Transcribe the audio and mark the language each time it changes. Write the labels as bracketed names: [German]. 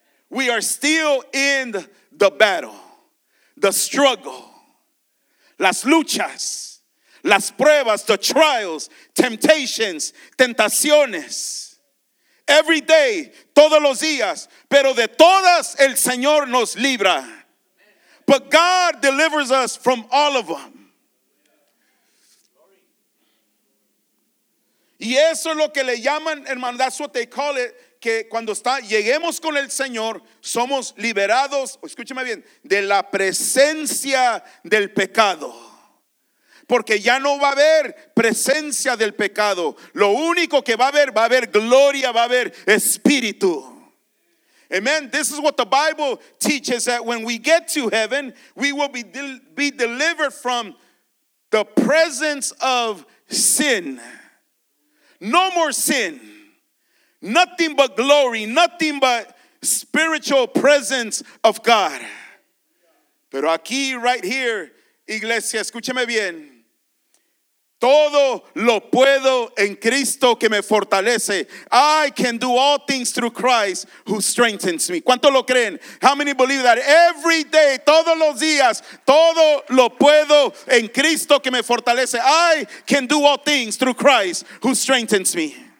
[English] We are still in the battle, the struggle, [Spanish] las luchas, las pruebas, [English] the trials, temptations, [Spanish] tentaciones. [English] Every day, [Spanish] todos los días, pero de todas el Señor nos libra. [English] But God delivers us from all of them. [Spanish] Y eso es lo que le llaman, hermano, [English] that's what they call it, [Spanish] que cuando está, lleguemos con el Señor, somos liberados, escúcheme bien, de la presencia del pecado. Porque ya no va a haber presencia del pecado. Lo único que va a haber gloria, va a haber espíritu. Amen. [English] This is what the Bible teaches, that when we get to heaven, we will be delivered from the presence of sin. No more sin. Nothing but glory. Nothing but spiritual presence of God. [Spanish] Pero aquí, [English] right here, [Spanish] iglesia, escúcheme bien. Todo lo puedo en Cristo que me fortalece. [English] I can do all things through Christ who strengthens me. [Spanish] ¿Cuánto lo creen? [English] How many believe that? Every day, [Spanish] todos los días, todo lo puedo en Cristo que me fortalece. [English] I can do all things through Christ who strengthens me.